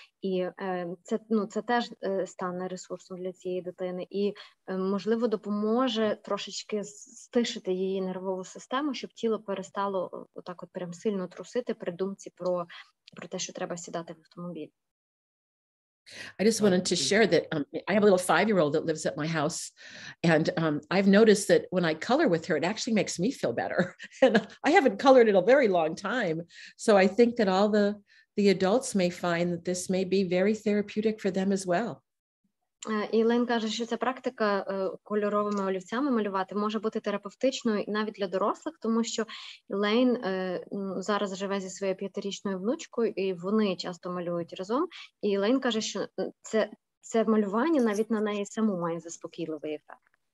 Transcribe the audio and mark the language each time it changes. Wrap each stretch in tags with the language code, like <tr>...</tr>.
<uk>І це теж стане ресурсом для цієї дитини. І, можливо, допоможе трошечки стишити її нервову систему, щоб тіло перестало отак от прям сильно трусити при думці про те, що треба сідати в автомобіль.</uk> <en>I just wanted to share that I have a little five-year-old that lives at my house, and I've noticed that when I color with her, it actually makes me feel better. And I haven't colored in a very long time. So I think that all the adults may find that this may be very therapeutic for them as well.</en> <uk>Ілен каже, що ця практика кольоровими олівцями малювати може бути терапевтичною і навіть для дорослих, тому що Ілен зараз живе зі своєю 5-річною внучкою, і вони часто малюють разом. І Ілен каже, що це малювання навіть на неї саму має заспокійливий ефект.</uk>